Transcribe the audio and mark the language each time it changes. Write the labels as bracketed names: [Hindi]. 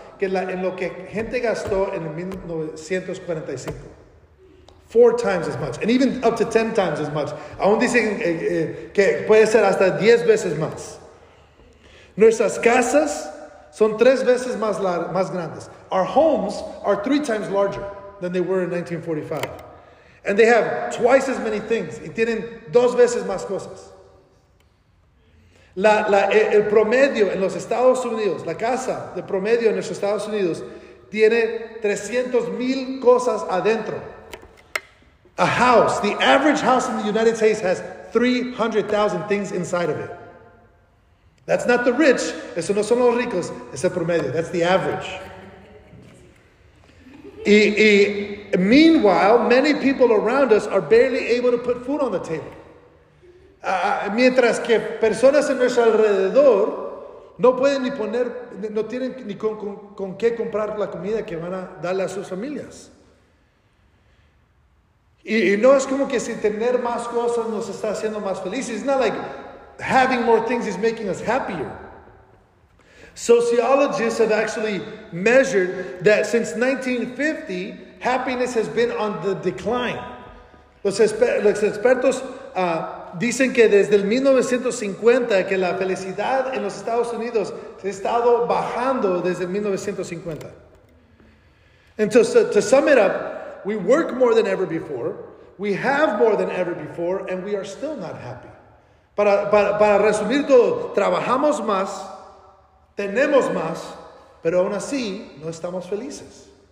[Spanish] que la, en lo que gente gastó en 1945. [English] Four times as much. And even up to 10 times as much. [Spanish] Aún dicen que puede ser hasta 10 veces más. Nuestras casas son tres veces más, más grandes. [English] Our homes are three times larger than they were in 1945. And they have twice as many things. [Spanish] Y tienen dos veces más cosas. El promedio en los Estados Unidos, la casa de promedio en los Estados Unidos, tiene 300,000 cosas adentro. [English] A house, the average house in the United States has 300,000 things inside of it. That's not the rich, [Spanish] eso no son los ricos, es el promedio, [English] that's the average. Y meanwhile, many people around us are barely able to put food on the table. [Spanish] Mientras que personas en nuestro alrededor no pueden ni poner, no tienen ni con qué comprar la comida que van a darle a sus familias. Y no es como que si tener más cosas nos está haciendo más felices. [English] It's not like having more things is making us happier. Sociologists have actually measured that since 1950, happiness has been on the decline. [Spanish] Los expertos dicen que desde el 1950, que la felicidad en los Estados Unidos se ha estado bajando desde 1950. [English] And to sum it up, we work more than ever before, we have more than ever before, and we are still not happy. [Spanish] Para resumir todo, trabajamos más, tenemos más, pero aún así no estamos felices.